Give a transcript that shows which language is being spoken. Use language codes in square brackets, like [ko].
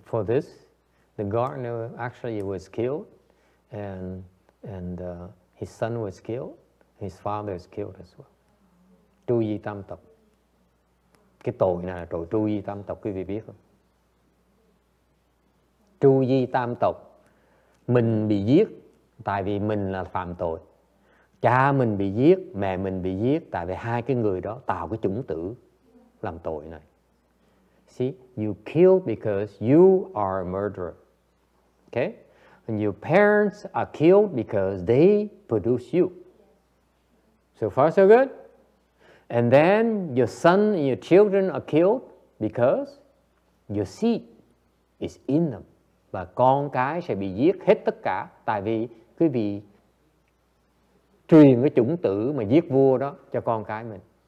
[en] For this, the gardener actually was killed, and his son was killed, his father is killed as well. [vi] Tru di tam tộc. Cái tội này là tội tru di tam tộc, quý vị biết không? Tru di tam tộc, mình bị giết tại vì mình là phạm tội. Cha mình bị giết, mẹ mình bị giết tại vì hai cái người đó tạo cái chủng tử làm tội này. [en] See, you kill because you are a murderer. Okay? And your parents are killed because they produce you. So far, so good? And then your son and your children are killed because your seed is in them. [vi] Và con cái sẽ bị giết hết tất cả tại vì quý vị truyền cái chủng tử mà giết vua đó cho con cái mình.